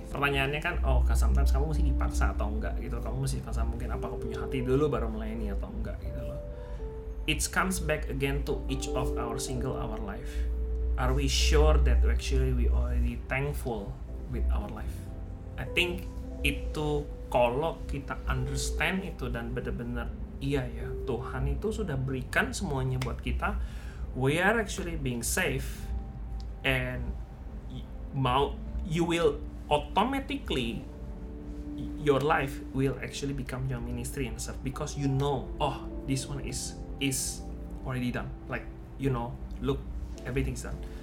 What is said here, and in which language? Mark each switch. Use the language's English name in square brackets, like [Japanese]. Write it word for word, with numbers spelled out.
[Indonesian] Pertanyaannya kan [English] oh sometimes [Indonesian] kamu mesti dipaksa atau enggak gitu, kamu mesti paksa mungkin apa kamu punya hati dulu baru melayani atau enggak gitu loh. [English] it comes back again to each of our single our life. Are we sure that actually we already thankful with our life? I think [Indonesian] itu kalau kita understand itu dan benar-benar iya ya, Tuhan itu sudah berikan semuanya buat kita. [English] We are actually being safe and [Indonesian] mau [English] you will automatically your life will actually become your ministry and stuff because you know oh this one is is already done, like you know look everything's done.